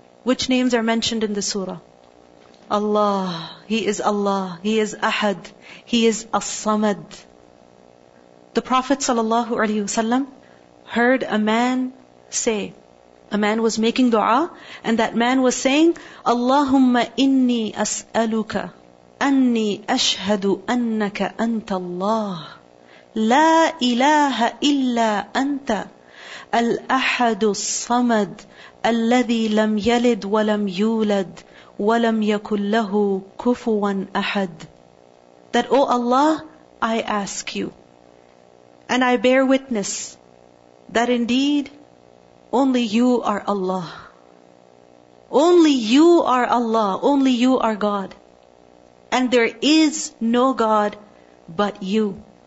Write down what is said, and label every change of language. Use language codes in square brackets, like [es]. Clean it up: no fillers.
[en] Which names are mentioned in the surah? Allah, He is Allah, He is Ahad, He is As-Samad. The Prophet ﷺ heard a man say, a man was making du'a, and that man was saying, [ar] Allahumma inni as'aluka. أني أشهد أنك أنت الله لا إله إلا أنت الأحد الصمد الذي لم يلد ولم يولد ولم يكن له كفوا أحد. [en] That, O Allah, I ask you, and I bear witness that indeed only you are Allah. Only you are Allah. Only you are God. And there is no God but you.